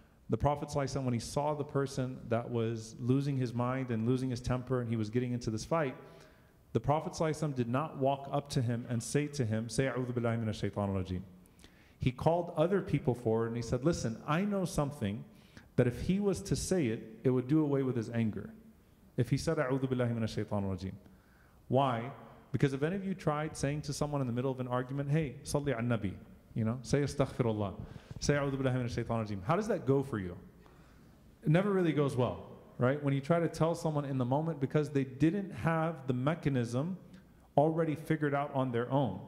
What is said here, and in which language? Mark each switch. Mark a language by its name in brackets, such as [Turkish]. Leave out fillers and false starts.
[English] The Prophet ﷺ, when he saw the person that was losing his mind and losing his temper and he was getting into this fight, the Prophet ﷺ did not walk up to him and say to him, say [Arabic] أعوذ بالله من الشيطان الرجيم. [English] He called other people forward and he said, listen, I know something that if he was to say it, it would do away with his anger. If he said [Arabic] أعوذ بالله من الشيطان الرجيم. [English] Why? Because if any of you tried saying to someone in the middle of an argument, hey, [Arabic] صلي على النبي, [English] you know, say [Arabic] استغفر الله, [English] say [Arabic] أعوذ بالله من الشيطان الرجيم. [English] How does that go for you? It never really goes well, right? When you try to tell someone in the moment because they didn't have the mechanism already figured out on their own.